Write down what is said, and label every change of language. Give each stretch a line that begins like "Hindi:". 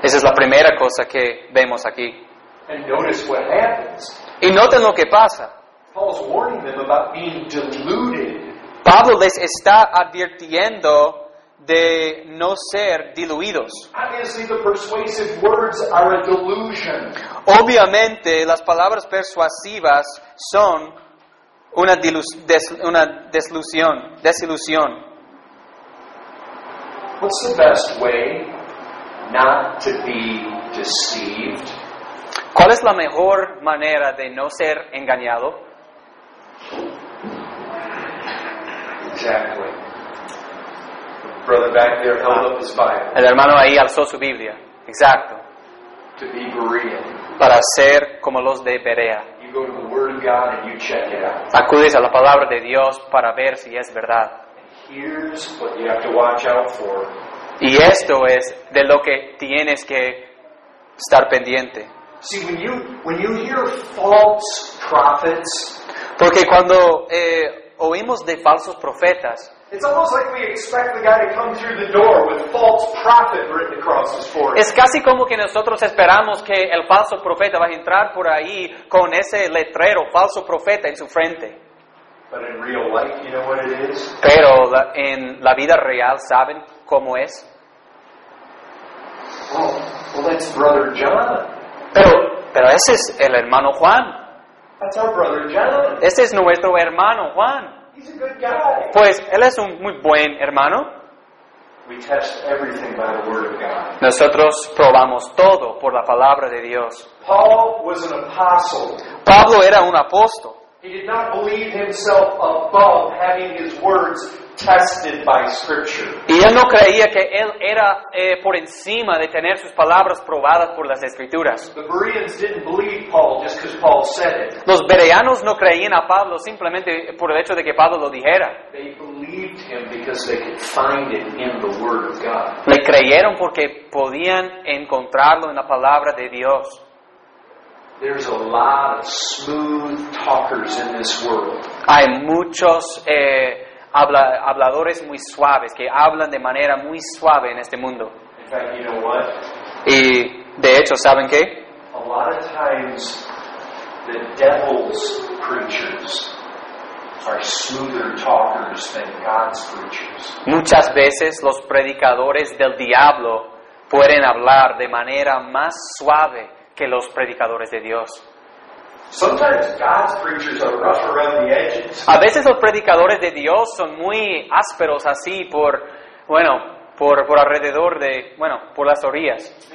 Spanish: Esa es la primera cosa que vemos aquí.
English: And notice what happens.
Spanish: Y noten lo que pasa.
English: Paul's warning them about being deluded.
Spanish: Pablo les está advirtiendo de no ser diluidos.
English: Obviously, the persuasive words are a delusion.
Spanish: Obviamente, las palabras persuasivas son una desilusión.
English: What's the best way not to be deceived?
Spanish: ¿Cuál es la mejor manera de no ser engañado?
English: Exactly. The brother back there held up his Bible.
Spanish: El hermano ahí alzó su Biblia. Exacto.
English: To be Berean.
Spanish: Para ser como los de Berea.
English: You go to the Word of God and you check it out.
Spanish: Acudes a la palabra de Dios para ver si es verdad.
English: Here's what you have to watch out for.
Spanish: Y esto es de lo que tienes que estar pendiente.
English: See, when you hear false prophets,
Spanish: porque cuando oímos de falsos profetas,
English: it's almost like we expect the guy to come through the door with false prophet written across his forehead.
Spanish: Es casi como que nosotros esperamos que el falso profeta va a entrar por ahí con ese letrero falso profeta en su frente.
English: But in real life, you know what it is?
Spanish: Pero la, en la vida real, ¿saben cómo es?
English: Oh, well, that's Brother John.
Spanish: Pero ese es el hermano Juan.
English: That's our brother John.
Spanish: Ese es nuestro hermano Juan.
English: He's a good guy.
Spanish: Pues él es un muy buen hermano.
English: We test everything by the word of God.
Spanish: Nosotros probamos todo por la palabra de Dios.
English: Paul was an apostle.
Spanish: Pablo era un apóstol.
English: He did not believe himself above having his words tested by Scripture.
Spanish: Y él no creía que él era por encima de tener sus palabras probadas por las Escrituras.
English: The Bereans didn't believe Paul just because Paul said it.
Spanish: Los Bereanos no creían a Pablo simplemente por el hecho de que Pablo lo dijera.
English: They believed him because they could find it in the Word of God.
Spanish: Le creyeron porque podían encontrarlo en la palabra de Dios.
English: There's a lot of smooth talkers in this world.
Spanish: Hay muchos habladores muy suaves que hablan de manera muy suave en este mundo.
English: In fact, you know what?
Spanish: Y de hecho, ¿saben qué?
English: A lot of times the devil's preachers are smoother talkers than God's preachers.
Spanish: Muchas veces los predicadores del diablo pueden hablar de manera más suave que los predicadores de Dios.
English: Sometimes God's preachers are rough around the edges.
Spanish: A veces los predicadores de Dios son muy ásperos así por, bueno, por alrededor de, bueno, por las orillas.